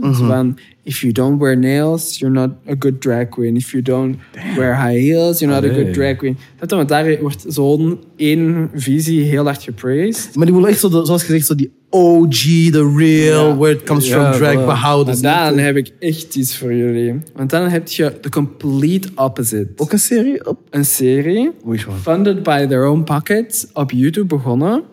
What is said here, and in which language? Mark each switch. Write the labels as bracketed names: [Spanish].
[Dutch] Van, [English] if you don't wear nails, you're not a good drag queen. If you don't wear high heels, you're not a good drag queen. [Dutch] Zet dat daar wordt zo'n één visie heel hard gepraised. Maar die wil echt zoals gezegd zo die OG, [English] the real, where it comes from, [Dutch] drag, behouden. En dan heb ik echt iets voor jullie. Want dan heb je [English] the complete opposite. [Dutch] Ook een serie? Een serie. [English] Which one? Funded by their own pockets, [Dutch] op YouTube begonnen.